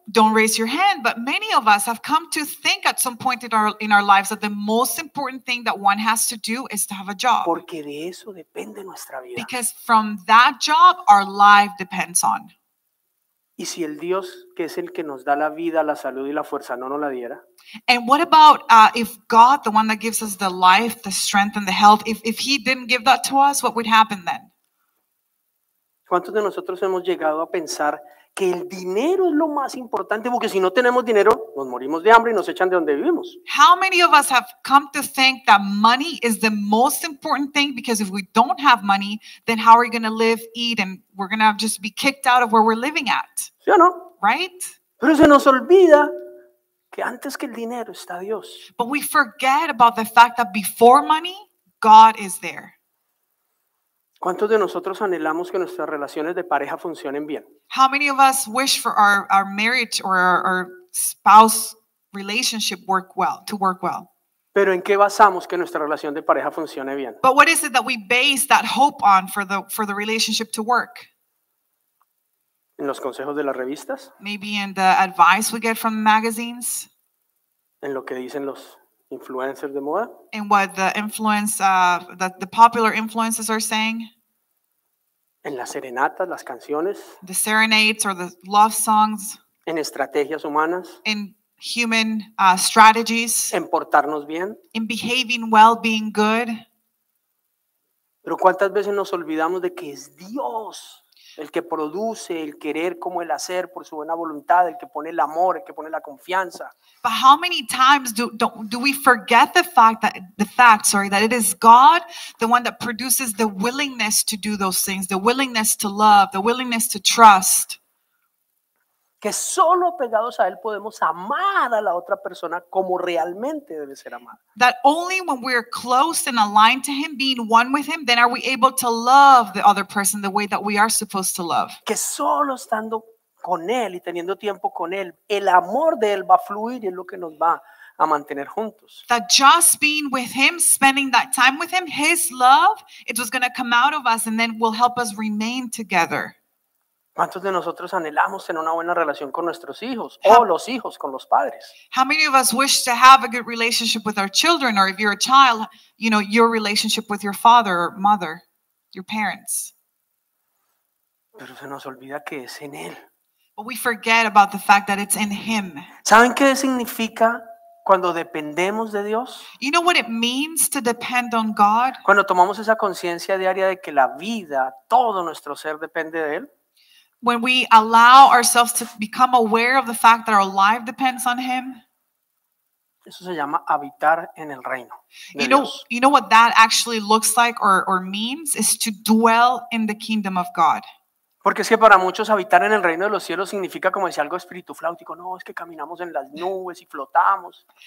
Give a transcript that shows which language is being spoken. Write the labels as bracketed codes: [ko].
[en] Don't raise your hand, but many of us have come to think at some point in our lives that the most important thing that one has to do is to have a job. [es] Porque de eso depende nuestra vida. [en] Because from that job, our life depends on. [es] ¿Y si el Dios, que es el que nos da la vida, la salud y la fuerza, no nos la diera? [en] And what about if God, the one that gives us the life, the strength and the health, if he didn't give that to us, what would happen then? [es] ¿Cuántos de nosotros hemos llegado a pensar que el dinero es lo más importante porque si no tenemos dinero nos morimos de hambre y nos echan de donde vivimos? [en] How many of us have come to think that money is the most important thing because if we don't have money then how are we going to live, eat and we're going to just be kicked out of where we're living at? [es] ¿Sí o no? [en] Right? [es] Pero se nos olvida que antes que el dinero está Dios. [en] But we forget about the fact that before money God is there. [es] ¿Cuántos de nosotros anhelamos que nuestras relaciones de pareja funcionen bien? [en] How many of us wish for our marriage or our spouse relationship work well, to work well. [es] Pero ¿en qué basamos que nuestra relación de pareja funcione bien? [en] But what is it that we base that hope on for the relationship to work? [es] ¿En los consejos de las revistas? [en] Maybe in the advice we get from the magazines. [es] ¿En lo que dicen los influencers de moda? [en] In what the influence the popular influencers are saying. [es] ¿En las serenatas, las canciones? [en] The serenades or the love songs. [es] ¿En estrategias humanas? [en] In human strategies. [es] ¿En portarnos bien? [en] In behaving well, being good. [es] ¿Pero cuántas veces nos olvidamos de que es Dios el que produce el querer como el hacer por su buena voluntad, el que pone el amor, el que pone la confianza? [en] But how many times do we forget the fact that it is God, the one that produces the willingness to do those things, the willingness to love, the willingness to trust? [es] Que solo pegados a él podemos amar a la otra persona como realmente debe ser amada. [en] That only when we are close and aligned to him, being one with him, then are we able to love the other person the way that we are supposed to love. [es] Que solo estando con él y teniendo tiempo con él, el amor de él va a fluir y es lo que nos va a mantener juntos. [en] That just being with him, spending that time with him, his love, it was going to come out of us and then will help us remain together. [es] ¿Cuántos de nosotros anhelamos tener una buena relación con nuestros hijos o los hijos con los padres? [en] How many of us wish to have a good relationship with our children, or if you're a child, you know, your relationship with your father or mother, your parents? [es] Pero se nos olvida que es en él. [en] But we forget about the fact that it's in him. [es] ¿Saben qué significa cuando dependemos de Dios? [en] You know what it means to depend on God? [es] Cuando tomamos esa conciencia diaria de que la vida, todo nuestro ser depende de él. [en] When we allow ourselves to become aware of the fact that our life depends on him. [es] Eso se llama habitar en el reino de Dios. [en] You know what that actually looks like or means is to dwell in the kingdom of God. [es] Porque es que para muchos habitar en el reino de los cielos significa como decir algo espíritu flautico. No, es que caminamos en las nubes y flotamos.